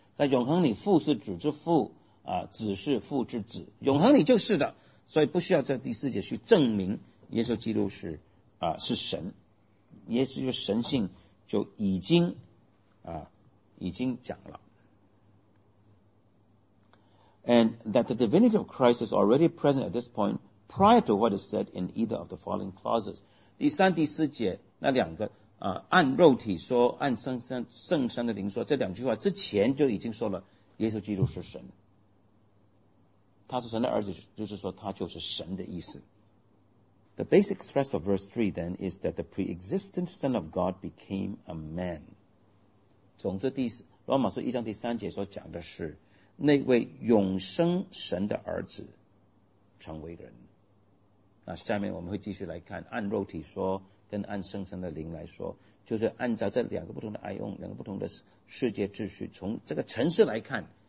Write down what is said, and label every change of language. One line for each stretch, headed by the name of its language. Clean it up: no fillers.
Chinese: 在永恒里，父是子之父子是父之子，永恒里就是的。所以不需要在第四节去证明耶稣基督是神，耶稣就神性就已经已经讲了。
English: And that the divinity of Christ is already present at this point prior to what is said in either of the following clauses.
Chinese: 第三第四节那两个按肉体说按圣神的灵说，这两句话之前就已经说了耶稣基督是神，他是神的儿子，就是说他就是神的意思。
English: The basic thrust of verse 3 then is that the pre-existent Son of God became a man.
Chinese: 总之罗马书一章第三节所讲的是那位永生神的儿子成为人。那下面我们会继续来看按肉体说跟按圣神的灵来说，就是按照这两个不同的爱用，两个不同的世界秩序，从这个程式来看